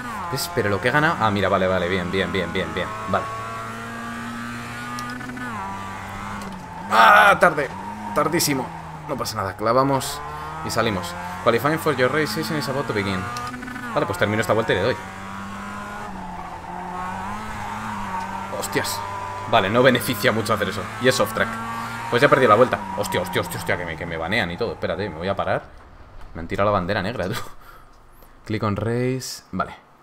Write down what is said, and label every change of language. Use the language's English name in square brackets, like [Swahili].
[Spanish] ¿Ves? Pero lo que he ganado... Ah, mira, vale, vale, bien, bien, bien, bien, bien, vale. ¡Ah! ¡Tarde! ¡Tardísimo! No pasa nada, clavamos y salimos. [English] Qualifying for your race season is about to begin. [Spanish] Vale, pues termino esta vuelta y le doy. Hostias. Vale, no beneficia mucho hacer eso. Y es off track. Pues ya he perdido la vuelta. Hostia, hostia, hostia, hostia, que me banean y todo. Espérate, me voy a parar. Me han tirado la bandera negra, tú. Clic en race. Vale.